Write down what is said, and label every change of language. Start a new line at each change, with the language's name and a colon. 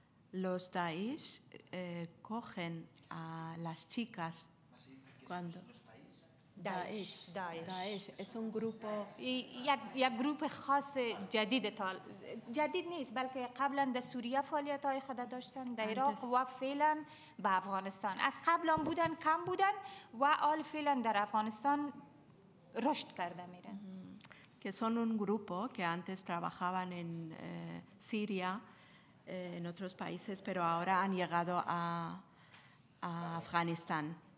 Spanish: los Daesh cogen a las chicas cuando... Daesh es un grupo y un grupo
Persian: خاص جدید تا جدید نیست بلکه قبلا در سوریه فعالیت‌های خود داشتن در عراق و فعلا به افغانستان از قبل هم بودن کم بودن و آل فعلا در افغانستان رشد کرده میره
Spanish: که son un grupo que antes trabajaban en Siria en otros países pero ahora han llegado a Afganistán.